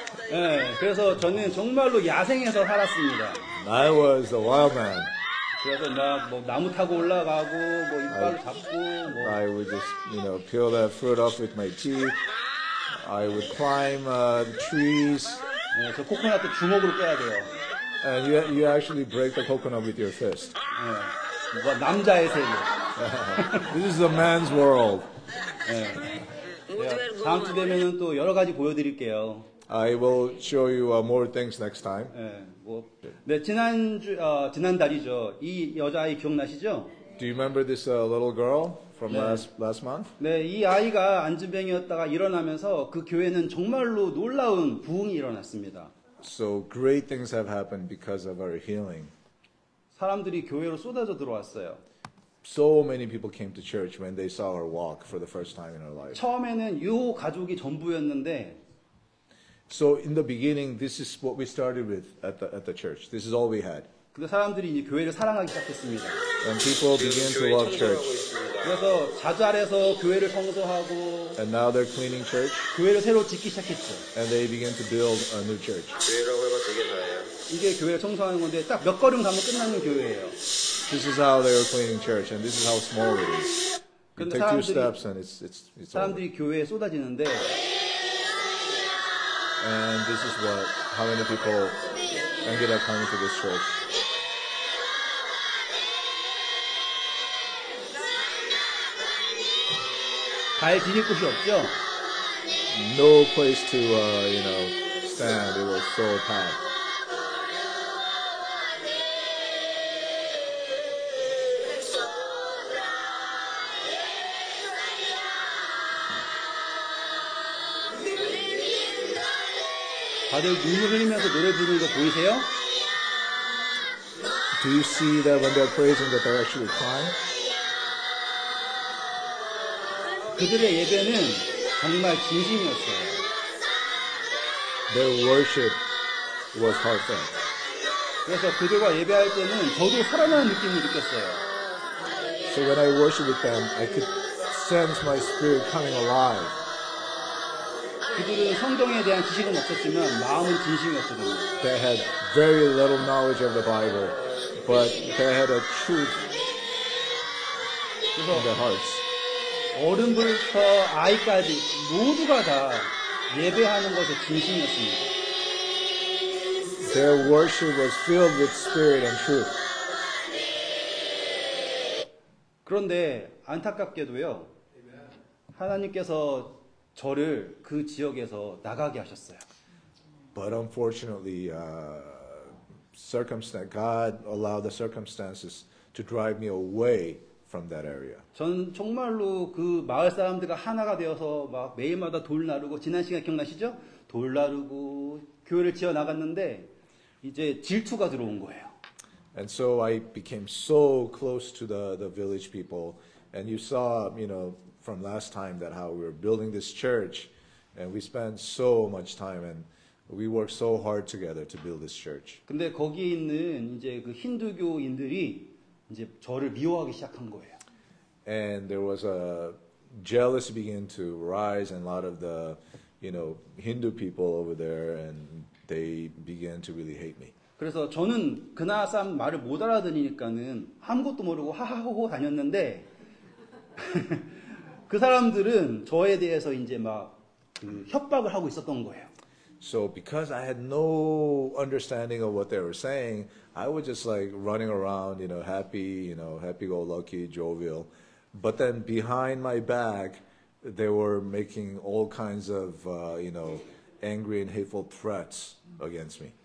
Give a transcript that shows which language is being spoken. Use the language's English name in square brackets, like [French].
[Korean] 네, 그래서 저는 정말로 야생에서 살았습니다. [English] I was a wild man. [Korean] 그래서 나 뭐 나무 타고 올라가고 뭐 이빨 잡고 뭐 [English] I would just, you know, peel that fruit off with my teeth. I would climb trees. [Korean] 네, 저 코코넛도 주먹으로 깨야 돼요. [English] And you actually break the coconut with your fist. [Korean] 네, 뭐 남자의 세계. [English] This is a man's world. [Korean] 네. 다음 주 되면은 또 여러 가지 보여드릴게요. [English] I will show you more things next time. [Korean] 네, 뭐, 네 지난 달이죠. 이 여자아이 기억나시죠? [English] Do you remember this little girl from 네. last month? [Korean] 네, 이 아이가 앉은뱅이었다가 일어나면서 그 교회는 정말로 놀라운 부흥이 일어났습니다. [English] So great things have happened because of our healing. [Korean] 사람들이 교회로 쏟아져 들어왔어요. [English] So many people came to church when they saw her walk for the first time in her life. [Korean] 처음에는 이 가족이 전부였는데. [English] So in the beginning, this is what we started with at the church. This is all we had. [Korean] 근데 사람들이 이제 교회를 사랑하기 시작했습니다. [English] And people began to love church. [Korean] 그래서 자잘해서 교회를 청소하고 [English] And now they're cleaning church. [Korean] 교회를 새로 짓기 시작했죠. [English] And they begin to build a new church. [Korean] 이게 교회를 청소하는 건데 딱 몇 걸음 가면 끝나는 교회예요. [English] This is how they're cleaning church and this is how small it is. You take two steps and it's [Korean] 사람들이 [English] over. [Korean] 교회에 쏟아지는데 [English] And this is what how many people ended up coming to this church. [Korean] 잘 지낼 곳이 없죠. [English] No place to you know stand. It was so packed. [Korean] 다들 눈물 흘리면서 노래 부르는 거 보이세요? [English] Do you see that when they're praising that they're actually crying? [Korean] 그들의 예배는 정말 진심이었어요. [English] Their worship was heartfelt. [Korean] 그래서 그들과 예배할 때는 저도 살아나는 느낌을 느꼈어요. [English] So when I worship with them, I could sense my spirit coming alive. [Korean] 그들은 성경에 대한 지식은 없었지만 마음은 진심이었거든요. [English] They had very little knowledge of the Bible, but they had a truth in their hearts. [Korean] 어른부터 아이까지 모두가 다 예배하는 것에 진심이었습니다. [English] Their worship was filled with spirit and truth. [Korean] 그런데 안타깝게도요, 하나님께서 저를 그 지역에서 나가게 하셨어요. [English] But unfortunately, circumstance, God allowed the circumstances to drive me away from that area. [Korean] 전 정말로 그 마을 사람들과 하나가 되어서 막 매일마다 돌 나르고 지난 시간 기억나시죠? 돌 나르고 교회를 지어 나갔는데 이제 질투가 들어온 거예요. [English] And so I became so close to the village people, and you saw, you know. From last time that how we were building this church and we spent so much time and we worked so hard together to build this church. [Korean] 근데 거기에 있는 이제 그 힌두교인들이 이제 저를 미워하기 시작한 거예요. [English] And there was a jealousy begin to rise and a lot of the you know Hindu people over there and they began to really hate me. [Korean] 그래서 저는 그나 쌈 말을 못 알아들으니까는 아무것도 모르고 하하호호 다녔는데 그 사람들은 저에 대해서 이제 막 그 협박을 하고 있었던 거예요. [English] So because I had no understanding of what they were saying, I was just like running around, you know, happy, you know, happy-go-lucky, jovial. But then behind my back, they were making all kinds of, you know, angry and hateful threats against me.